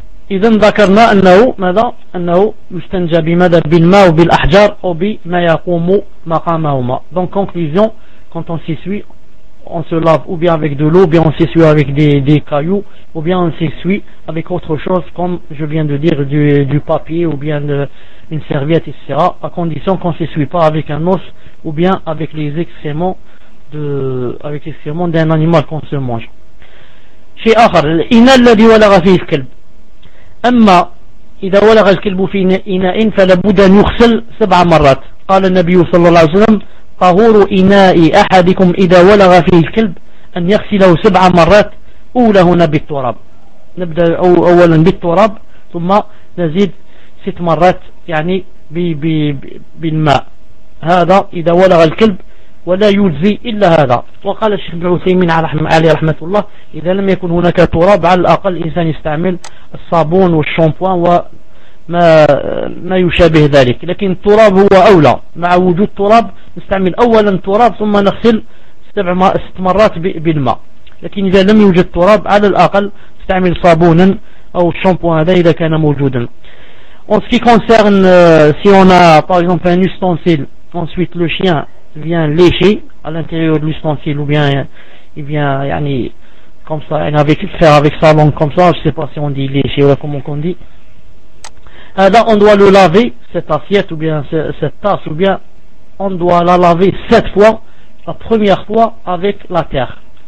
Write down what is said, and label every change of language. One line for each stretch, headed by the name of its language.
Arabic: إذن ذكرنا أنه ماذا؟ أنه يستنجى بماذا؟ بالماء وبالأحجار أو بما يقوم مقامهما.
French: Donc conclusion, quand on s'essuie, on se lave ou bien avec de l'eau, ou bien on s'essuie avec des cailloux, ou bien on s'essuie avec autre chose, comme je viens de dire, du papier ou bien une serviette, etc., à condition qu'on ne s'essuie pas avec un os ou bien avec les excréments d'un animal qu'on se mange.
Arabic: شيء آخر الإناء الذي ولغ فيه الكلب. أما إذا ولغ الكلب في إناء فلابد أن يغسل 7 مرات. قال النبي صلى الله عليه وسلم: طهور إناء أحدكم إذا ولغ فيه الكلب أن يغسله 7 مرات. أولى هنا بالتراب، نبدأ أولا بالتراب ثم نزيد 6 مرات يعني بالماء. هذا إذا ولغ الكلب ولا يجزي إلا هذا. وقال الشيخ ابن عثيمين عليه رحمة الله: إذا لم يكن هناك تراب على الأقل الإنسان يستعمل الصابون والشامبوان وما يشابه ذلك، لكن التراب هو أولى. مع وجود تراب نستعمل أولا تراب ثم نغسل 6 مرات بالماء، لكن إذا لم يوجد تراب على الأقل نستعمل صابونا أو الشامبوان هذا إذا كان موجودا.
French: En ce qui concerne si on a par exemple un ustensile, ensuite le chien vient lécher à l'intérieur de l'ustensile, ou bien il vient yani, comme ça, faire avec sa langue comme ça, je ne sais pas si on dit lécher ou comment on dit. Là, on doit le laver, cette assiette ou bien cette tasse, ou bien on doit la laver 7 fois, la première fois avec la terre.